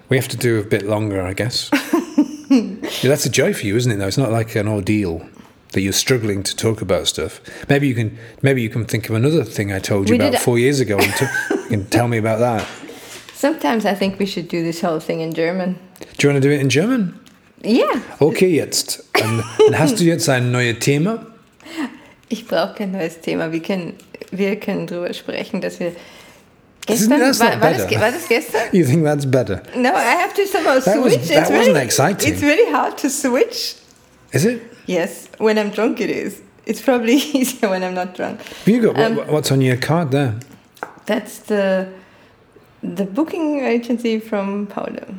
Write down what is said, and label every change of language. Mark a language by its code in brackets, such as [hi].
[en] We have to do a bit longer, I guess. Yeah, that's a joy for you, isn't it, though? It's not like an ordeal that you're struggling to talk about stuff. Maybe you can think of another thing I told you we about 4 years ago and can tell me about that. Sometimes I think we should do this whole thing in German. Do you want to do it in German? Yeah. [de] Okay, jetzt. And hast du jetzt ein neues Thema? Ich brauche kein neues Thema. Wir können drüber sprechen, dass wir... Gestern, war das gestern? [en] You think that's better? No, I have to somehow switch. That wasn't really exciting. It's really hard to switch. Is it? Yes. When I'm drunk, it is. It's probably easier when I'm not drunk. Have you got what's on your card there? That's the booking agency from Paolo.